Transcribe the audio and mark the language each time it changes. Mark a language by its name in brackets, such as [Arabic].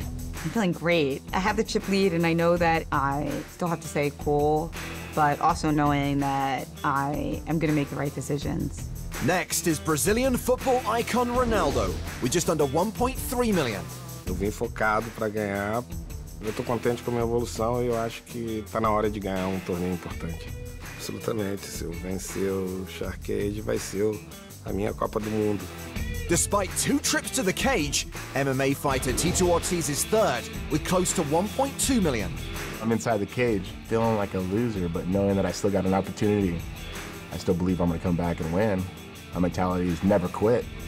[English] I'm feeling great. I have the chip lead and I know that I still have to say cool, but also knowing that I am gonna make the right decisions. Next is Brazilian football icon Ronaldo, with just under 1.3 million. [Portuguese] Eu vim focado para ganhar. Eu tô contente com a minha evolução e eu acho que tá na hora de ganhar um torneio importante. Absolutamente, se eu vencer o Shark Cage, vai ser a minha Copa do Mundo. [English] Despite two trips to the cage, MMA fighter Tito Ortiz is third with close to 1.2 million. I'm inside the cage feeling like a loser, but knowing that I still got an opportunity, I still believe I'm going to come back and win. My mentality is never quit.